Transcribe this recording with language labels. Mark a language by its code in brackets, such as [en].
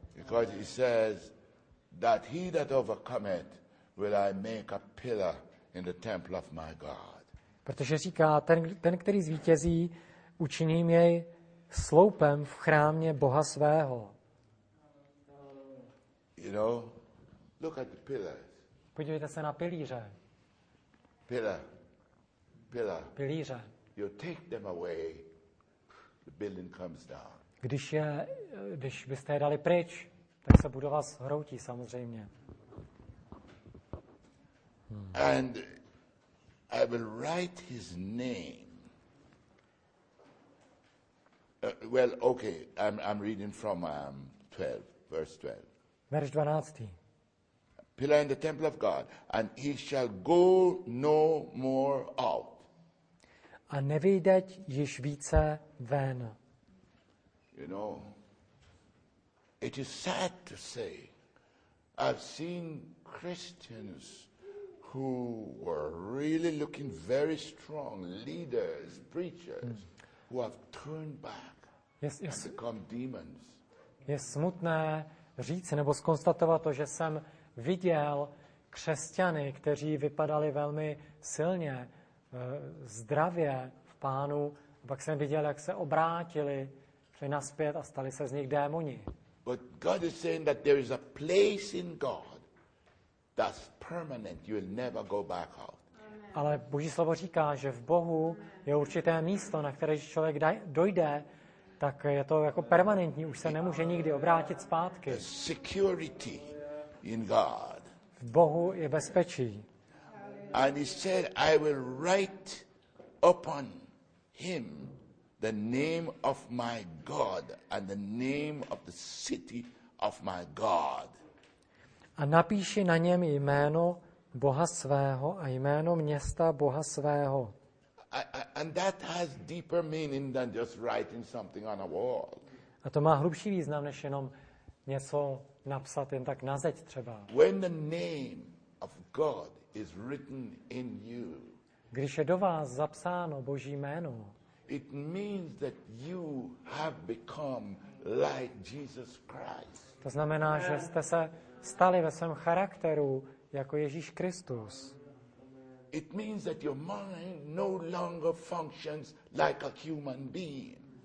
[en] Because he says that he that overcometh will I make a pillar in the temple of my God. [cs] Protože říká, ten který zvítězí, učiním jej sloupem v chrámě Boha svého. [en] You know, look at the pillars. [cs] Podívejte se na pilíře. [en] Pillar. [cs] Pilíře. [en] You take them away, the building comes down. [cs] Když byste je dali pryč, tak se budova zhroutí samozřejmě. [en] And I will write his name. Well, okay, I'm reading from 12, verse 12. [cs] Verš 12. [en] Pillar in the temple of God, and he shall go no more out. [cs] A nevyjdeť již více ven. [en] You know, it is sad to say, I've seen Christians who were really looking very strong leaders, preachers who have turned back and become demons. [cs] Je smutné říct nebo zkonstatovat to, že jsem viděl křesťany, kteří vypadali velmi silně, zdravě v Pánu, a pak jsem viděl, jak se obrátili, šli nazpět a stali se z nich démoni. [en] But God is saying that there is a place in God that's permanent. You will never go back out. [cs] Ale Boží slovo říká, že v Bohu je určité místo, na které člověk dojde, tak je to jako permanentní, už se nemůže nikdy obrátit zpátky. [en] The security in God. [cs] V Bohu je bezpečí. [en] And he said, I will write upon him the name of my God and the name of the city of my God. [cs] A napíši na něm jméno Boha svého a jméno města Boha svého. [en] And that has deeper meaning than just writing something on a wall. [cs] A to má hlubší význam, než jenom něco napsat jen tak na zeď třeba. [en] When the name of God is written in you. [cs] Když je do vás zapsáno Boží jméno. [en] It means that you have become like Jesus Christ. [cs] To znamená, že jste se stali ve svém charakteru jako Ježíš Kristus. [en] It means that your mind no longer functions like a human being.